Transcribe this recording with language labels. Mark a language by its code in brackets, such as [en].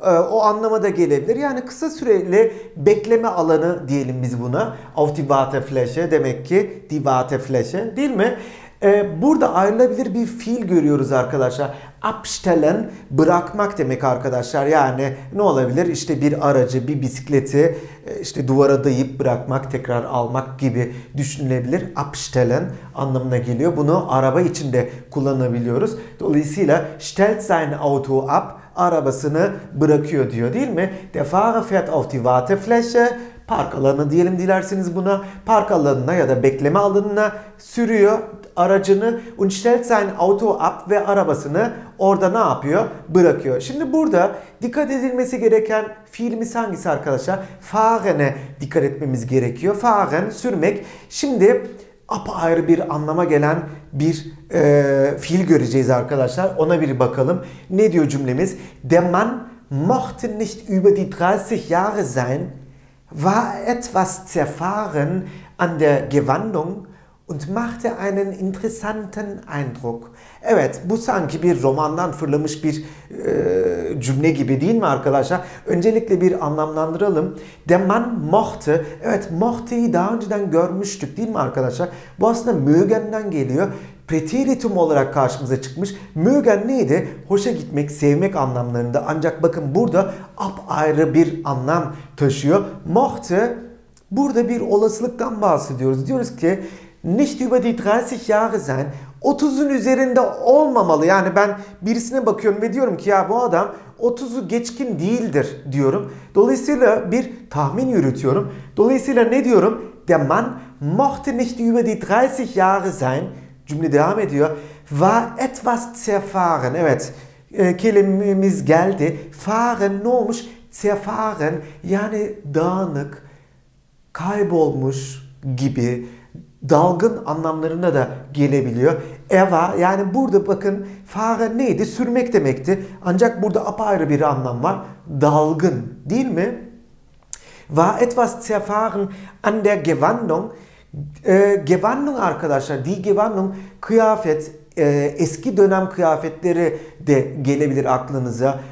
[tr] O anlama da gelebilir. Yani kısa süreli bekleme alanı diyelim biz buna. [de] Auf die Warteflasche [tr] demek ki. [de] Die Warteflasche [tr] değil mi? Burada ayrılabilir bir fiil görüyoruz arkadaşlar. Abstellen bırakmak demek arkadaşlar. Yani ne olabilir? İşte bir aracı, bir bisikleti işte duvara dayayıp bırakmak, tekrar almak gibi düşünülebilir. Abstellen anlamına geliyor. Bunu araba içinde kullanabiliyoruz. Dolayısıyla [de] stellt sein Auto ab, [tr] arabasını bırakıyor diyor değil mi? [de] Der Fahrer fährt auf die Warteflasche. [tr] Park alanı diyelim dilerseniz buna. Park alanına ya da bekleme alanına sürüyor aracını. [de] Und stellt sein Auto ab [tr] ve arabasını orada ne yapıyor? Bırakıyor. Şimdi burada dikkat edilmesi gereken fiilimiz hangisi arkadaşlar? Fahren'e dikkat etmemiz gerekiyor. Fahren sürmek. Şimdi apayrı bir anlama gelen bir fiil göreceğiz arkadaşlar. Ona bir bakalım. Ne diyor cümlemiz? [de] Der Mann mochte nicht über die 30 Jahre sein. War etwas zerfahren an der Gewandung und machte einen interessanten Eindruck. [tr] Evet, bu sanki bir romandan fırlamış bir cümle gibi değil mi arkadaşlar? Öncelikle bir anlamlandıralım. [de] Der Mann mochte, [tr] evet mochte'yi daha önceden görmüştük değil mi arkadaşlar? Bu aslında mögen'den geliyor. Präteritum olarak karşımıza çıkmış. Mögen neydi? Hoşa gitmek, sevmek anlamlarında. Ancak bakın burada apayrı bir anlam taşıyor. Mochte, burada bir olasılıktan bahsediyoruz. Diyoruz ki, [de] nicht über die 30 Jahre sein, [tr] 30'un üzerinde olmamalı. Yani ben birisine bakıyorum ve diyorum ki ya bu adam 30'u geçkin değildir diyorum. Dolayısıyla bir tahmin yürütüyorum. Dolayısıyla ne diyorum? [de] Der Mann mochte nicht über die 30 Jahre sein. [tr] Cümle devam ediyor. [de] War etwas zerfahren. [tr] Evet. Kelimemiz geldi. Fahren ne olmuş? Zerfahren. Yani dağınık, kaybolmuş gibi, dalgın anlamlarına da gelebiliyor. Eva, yani burada bakın fahren neydi? Sürmek demekti. Ancak burada apayrı bir anlam var. Dalgın. Değil mi? [de] War etwas zerfahren an der Gewandung. [tr] Gewandung arkadaşlar, die Gewandung kıyafet, eski dönem kıyafetleri de gelebilir aklınıza.